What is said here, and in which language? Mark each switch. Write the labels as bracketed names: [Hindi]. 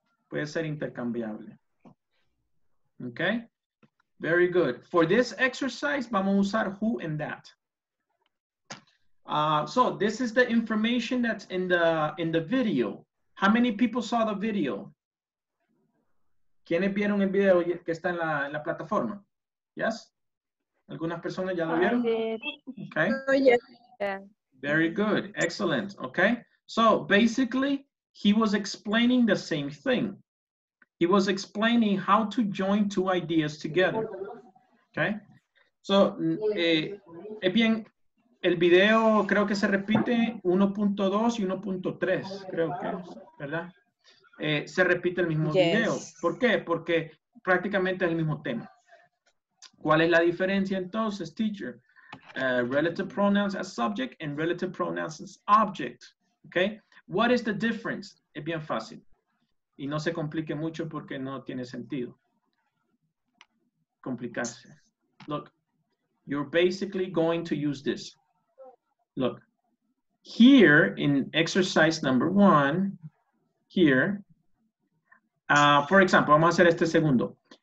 [Spanish] Puede ser intercambiable, okay? [English] Very good. For this exercise, [Spanish] vamos a usar [English] who and that. So this is the information that's in the video. How many people saw the video? [Spanish] ¿Quiénes vieron el video que está en la plataforma? Yes? ¿Algunas personas ya lo vieron? Okay. [English] Oh, yes. Very good. Excellent. Okay. So basically, he was explaining the same thing. He was explaining how to join two ideas together. Okay? [Spanish] So, es bien, el video creo que se repite 1.2 y 1.3, creo que, ¿verdad? Se repite el mismo video. ¿Por qué? Porque prácticamente es el mismo tema. ¿Cuál es la diferencia entonces, teacher? [English] Relative pronouns as subject and relative pronouns as object. Okay. What is the difference? [Spanish] Es bien fácil. Y no se complique mucho porque no tiene sentido. [English] Complicarse. Look, you're basically going to use this. Look, here in exercise number one, here, for example, [Spanish] vamos a hacer este segundo.